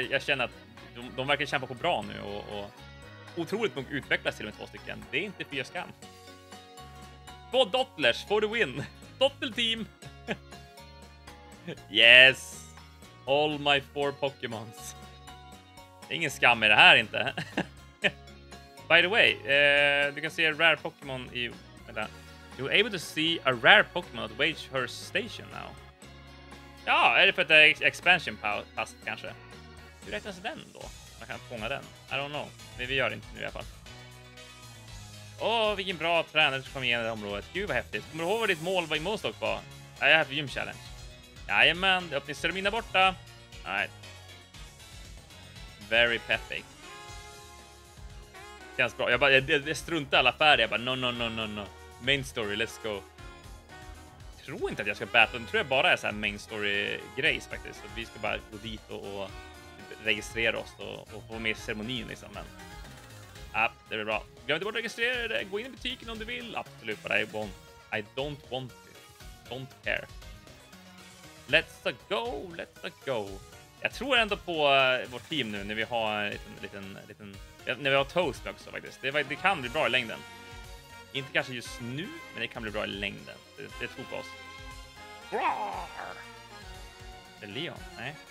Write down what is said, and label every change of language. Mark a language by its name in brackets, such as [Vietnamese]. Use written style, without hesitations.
[Swedish] Jag känner att de verkar kämpa på bra nu och otroligt många utvecklas till med två stycken. Det är inte fyra skam. Två Dottlers for the win. Dottelteam. [English] Yes. All my four Pokémons. [Swedish] Ingen skam i det här inte. By the way, du kan se rare Pokémon i... Vänta. [English] You're able to see a rare Pokémon at Wagehurst Station now. [Swedish] Ja, är det för att det är expansion pass kanske? Hur räknas den då? Man kan fånga den. I don't know. Men vi gör det inte nu i alla fall. Åh, vilken bra tränare som kom igen i det området. Gud vad häftigt. Kommer du ihåg vad ditt mål var i Mostock var? Nej, jag har gym challenge. Jajamän, det öppnar ceremina borta. Nej. Right. Very peppig. Känns bra. Jag struntar alla affärer. Jag bara, no. Main story, let's go. Tror inte att jag ska battle. Tror jag bara är så här main story-grejs faktiskt. Så vi ska bara gå dit och registrera oss och få med ceremonin liksom. Men, det blir bra. Glöm inte bara att registrera dig. Gå in i butiken om du vill. [English] Absolut, but I don't want it. Don't care. Let's go. [Swedish] Jag tror ändå på vårt team nu när vi har en liten när vi har Toast också faktiskt. Det kan bli bra i längden. Inte kanske just nu, men det kan bli bra i längden. Det tror på oss. Roar! Det är Leon, nej.